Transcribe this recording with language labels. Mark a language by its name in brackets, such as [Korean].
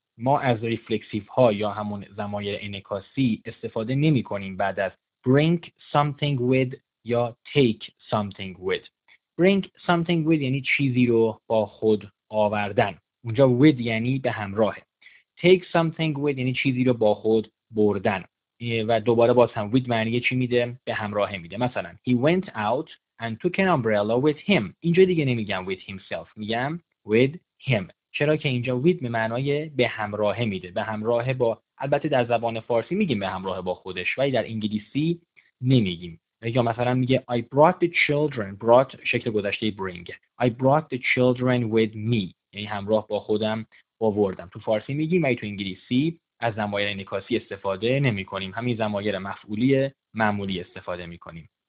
[Persian] ما از reflexive ها یا همون ضمایر انعکاسی استفاده نمی کنیم بعد از bring something with یا take something with. Bring something with یعنی چیزی رو با خود آوردن. اونجا with یعنی به همراه. [English] Take something with [Persian] یعنی چیزی رو با خود بردن. و دوباره باز هم with معنی چی میده؟ به همراه میده. [English] مثلا He went out and took an umbrella with him. [Persian] اینجا دیگه نمیگم with himself، میگم with him، چرا که اینجا with به معنای به همراه میده، به همراه با، البته در زبان فارسی میگیم به همراه با خودش، ولی در انگلیسی نمیگیم. یا مثلا میگه I brought the children، brought شکل گذشته bring، [English] I brought the children with me، [Persian] یعنی همراه با خودم آوردم. تو فارسی میگیم، ولی تو انگلیسی از ضمایر انعکاسی استفاده نمی کنیم، همین ضمایر مفعولی معمولی استفاده می کنیم.